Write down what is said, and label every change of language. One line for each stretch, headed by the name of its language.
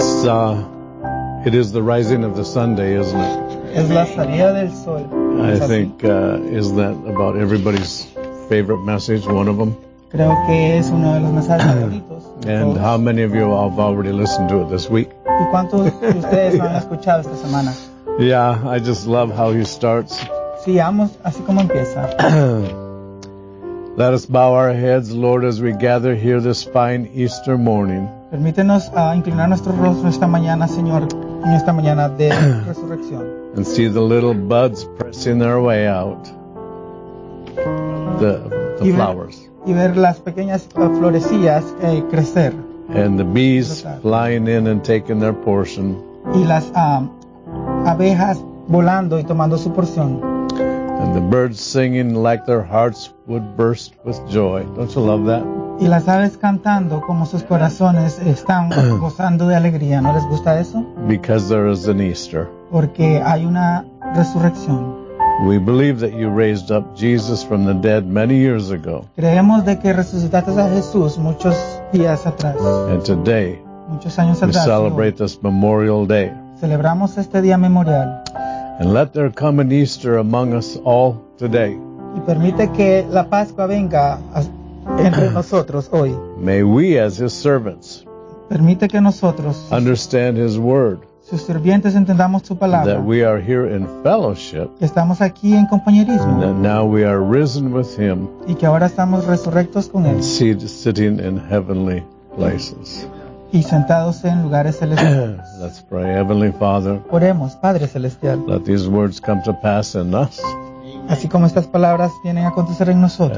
English: It is the rising of the sun day, isn't it?
Spanish: Es la salida del sol.
English: I think, is that about everybody's favorite message, one of them?
Spanish: Creo que es uno de los mensajes favoritos.
English: And how many of you have already listened to it this week?
Spanish: ¿Y cuántos de ustedes lo han escuchado esta semana?
English: Yeah, I just love how he starts.
Spanish: Sí, amo así como empieza.
English: Let us bow our heads, Lord, as we gather here this fine Easter morning.
Spanish: Permítenos inclinar nuestro rostro esta mañana, Señor, en esta mañana de resurrección.
English: And see the little buds pressing their way out. The flowers.
Spanish: Y ver las pequeñas florecillas crecer.
English: And the bees flying in and taking their portion.
Spanish: Y las abejas volando y tomando su porción.
English: And the birds singing like their hearts would burst with joy. Don't you love that?
Spanish: Y las aves cantando como sus corazones están gozando de alegría. ¿No les gusta eso?
English: Because there is an Easter.
Spanish: Porque hay una resurrección.
English: We believe that you raised up Jesus from the dead many years ago.
Spanish: Creemos de que resucitaste a Jesús muchos días atrás.
English: And today,
Spanish: muchos años atrás,
English: we celebrate this Memorial Day.
Spanish: Celebramos este día memorial.
English: And let there come an Easter among us all today.
Spanish: Y permite que la Pascua venga entre nosotros hoy.
English: May we as his servants
Spanish: permite que nosotros
English: understand his word.
Spanish: Sus sirvientes entendamos su palabra.
English: That we are here in fellowship.
Spanish: Estamos aquí en compañerismo.
English: And that now we are risen with him.
Spanish: Y que ahora estamos resurrectos con él.
English: And sitting in heavenly places.
Spanish: Y sentados en lugares celestiales.
English: Let's pray, Heavenly Father.
Spanish: Oremos, Padre Celestial.
English: Let these words come to pass in us.
Spanish: Así como estas palabras vienen a acontecer en nosotros.